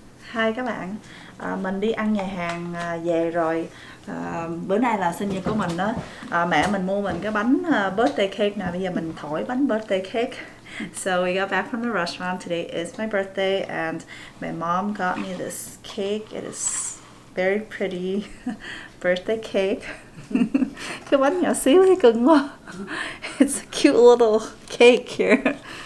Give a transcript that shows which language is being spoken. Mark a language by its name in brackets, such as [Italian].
[Vietnamese] Hi các bạn, mình đi ăn nhà hàng về rồi. Bữa nay là sinh nhật của mình đó. Mẹ mình mua mình cái bánh birthday cake nè. Bây giờ mình thổi bánh birthday cake. [English] So we got back from the restaurant. Today is my birthday and my mom got me this cake. It is very pretty birthday cake. [Vietnamese] Cái bánh nhỏ xíu hay cưng quá. [English] It's a cute little cake here.